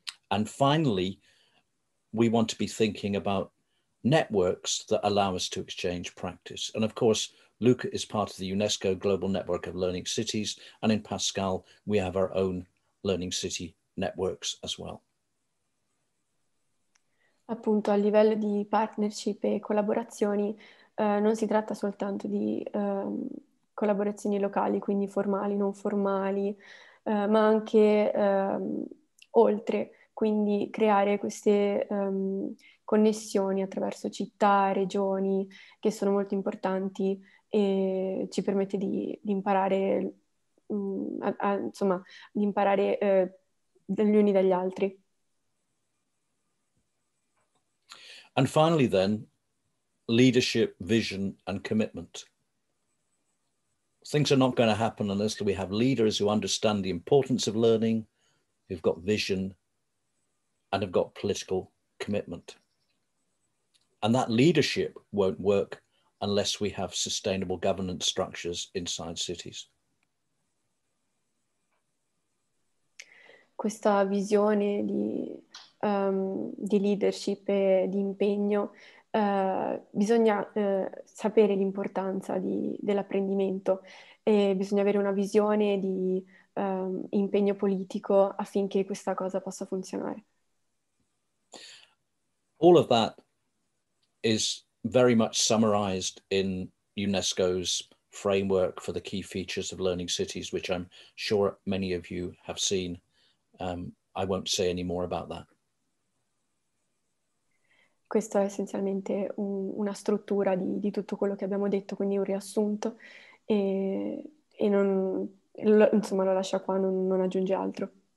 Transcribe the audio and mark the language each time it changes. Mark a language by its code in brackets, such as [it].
[en] And finally, we want to be thinking about networks that allow us to exchange practice. And of course, Luca is part of the UNESCO Global Network of Learning Cities, and in Pascal, we have our own learning city networks as well. [it] Appunto, a livello di partnership e collaborazioni, non si tratta soltanto di collaborazioni locali, quindi formali, non formali, ma anche oltre, quindi creare queste connessioni attraverso città, regioni, che sono molto importanti e ci permette di imparare, insomma, di imparare gli uni dagli altri. [en] And finally then, leadership, vision and commitment. Things are not going to happen unless we have leaders who understand the importance of learning, who've got vision and have got political commitment. And that leadership won't work unless we have sustainable governance structures inside cities. [it] Questa visione di leadership e di impegno, bisogna sapere l'importanza dell'apprendimento e bisogna avere una visione di impegno politico affinché questa cosa possa funzionare. [en] All of that is very much summarized in UNESCO's framework for the key features of learning cities, which I'm sure many of you have seen. I won't say any more about that. [it] Questo è essenzialmente una struttura di tutto quello che abbiamo detto, quindi un riassunto, e non, insomma, lo lascia qua, non aggiunge altro.